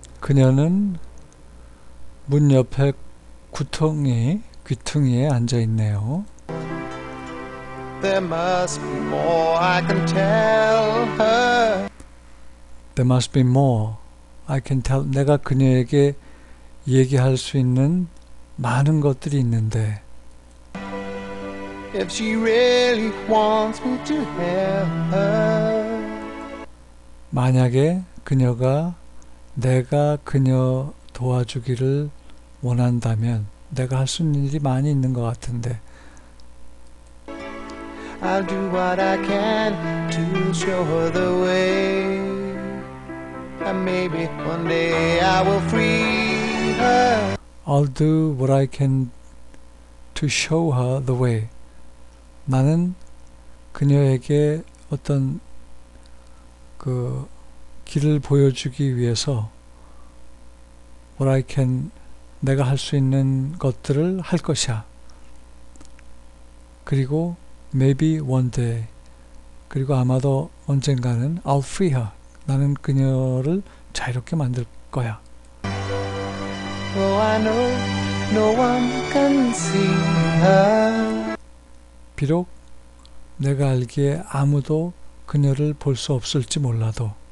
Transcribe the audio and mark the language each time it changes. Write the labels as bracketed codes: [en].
[ko] 그녀는 문 옆에 귀퉁이에 앉아 있네요. [en] There must be more I can tell her. There must be more I can tell. [ko] 내가 그녀에게 얘기할 수 있는 많은 것들이 있는데. [en] If she really wants me to help her. [ko] 만약에 그녀가 내가 그녀 도와주기를 원한다면 내가 할 수 있는 일이 많이 있는 것 같은데. [en] I'll do what I can to show her the way. And maybe one day I will free her. I'll do what I can to show her the way. [ko] 나는 그녀에게 어떤 그 길을 보여주기 위해서 [en] what I can [ko] 내가 할 수 있는 것들을 할 것이야. 그리고 [en] maybe one day [ko] 그리고 아마도 언젠가는 [en] I'll free her. [ko] 나는 그녀를 자유롭게 만들 거야. [en] Oh, I know no one can see her. [ko] 비록 내가 알기에 아무도 그녀를 볼 수 없을지 몰라도